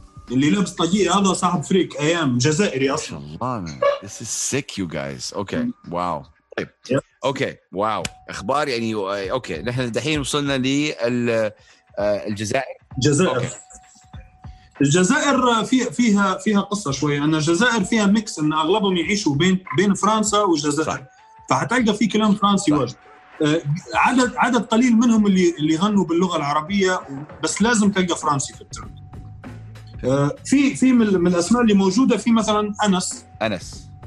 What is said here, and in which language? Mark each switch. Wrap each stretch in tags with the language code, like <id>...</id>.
<ar>اللي لابس طاقية هذا صاحب فريك أيام جزائري أصلا الله</ar> <en>man this is sick you guys okay wow okay wow</en> <ar>أخبار يعني</ar> <en>okay</en> <ar>نحن دحين وصلنا للجزائر جزائر الجزائر فيها قصة شوية أن الجزائر فيها ميكس أن أغلبهم يعيشوا بين فرنسا والجزائر فحتلقى في كلام فرنسي واجد عدد قليل منهم اللي غنوا باللغة العربية بس لازم تلقى فرنسي في الترند في من الأسماء اللي موجودة في مثلا أنس</ar>